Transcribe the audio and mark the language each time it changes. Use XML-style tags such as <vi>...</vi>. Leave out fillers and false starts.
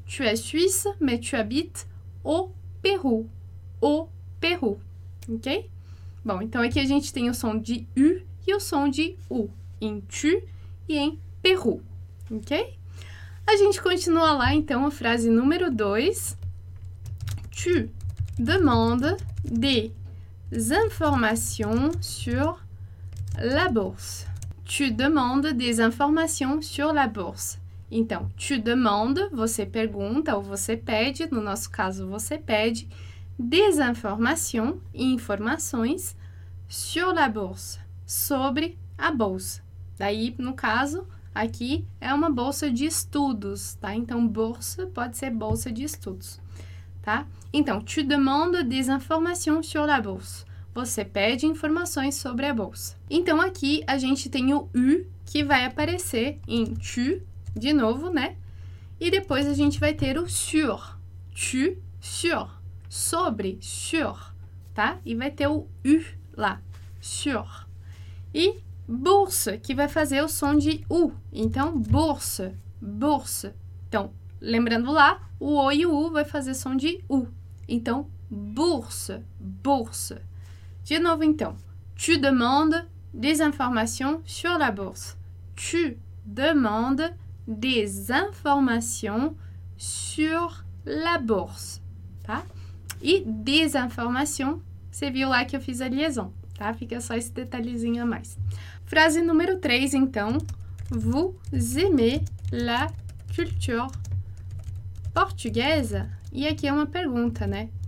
<fr>Tu es suisse, mais tu habites au Peru. Au Peru. Ok?</fr> <pt>Bom, então aqui a gente tem o som de U e o som de U, em tu e em Peru, ok? A gente continua lá, então, a frase número 2.</pt> <fr>Tu demandes des informations sur la bourse. Tu demandes des informations sur la bourse.</fr> <pt>Então,</pt> <fr>tu demandes,</fr> <pt>você pergunta ou você pede, no nosso caso, você pede,</pt> <fr>des informations,</fr> <pt>informações</pt> <fr>sur la bourse,</fr> <pt>sobre a bolsa. Daí, no caso, aqui é uma bolsa de estudos, tá? Então, bourse pode ser bolsa de estudos, tá? Então,</pt> <fr>tu demandes des informations sur la bourse.</fr> <pt>Você pede informações sobre a bolsa. Então, aqui a gente tem o U que vai aparecer em tu, de novo, né? E depois a gente vai ter o sur. Tu, sur. Sobre, sur. Tá? E vai ter o U lá. Sur. E bourse, que vai fazer o som de U. Então, bourse, bourse. Então, lembrando lá, o O e o U vai fazer som de U. Então, bourse, bourse. De novo, então.</pt> <fr>Tu demandes des informations sur la bourse. Tu demandes des informations sur la bourse.</fr> <pt>Tá? E des informations, você viu lá que eu fiz a liaison. Tá? Fica só esse detalhezinho a mais. Frase número 3, então.</pt> <fr>Vous aimez la culture portuguesa?</fr> <pt>E aqui é uma pergunta, né?</pt>